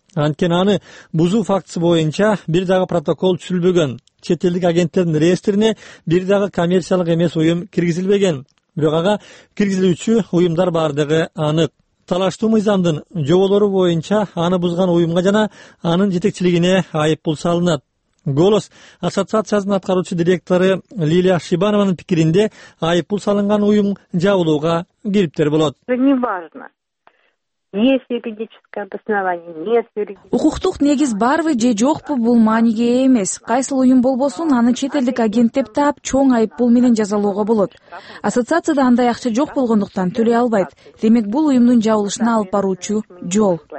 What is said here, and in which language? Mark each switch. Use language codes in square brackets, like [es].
[ky] Анткени аны бузуу фактысы боюнча бир дагы протокол түзүлбөгөн, чет элдик агенттердин реестрине бир дагы коммерциялык эмес уюм киргизилбеген, бирок ага киргизилүүчү уюмдар бардыгы анык. Талаштуу мыйзамдын жоболору боюнча аны бузган уюмга жана анын жетекчилигине айып пул салынат. Голос ассоциациясынын аткаруучу директору Лилия Шибанованын пикиринде айып пул салынган уюм жабылууга кириптер болот. [ru] Неважно. Есть юридическое обоснование, нет юридического. [ky] Укуктук негиз барбы же жокпу бул мааниге ээ эмес. Кайсыл уюм болбосун аны чет элдик агент деп таап чоң айып пул менен жазалоого болот. Ассоциацияда андай акча жок болгондуктан төлөй албайт. Демек бул уюмдун жабылышына алып баруучу жол.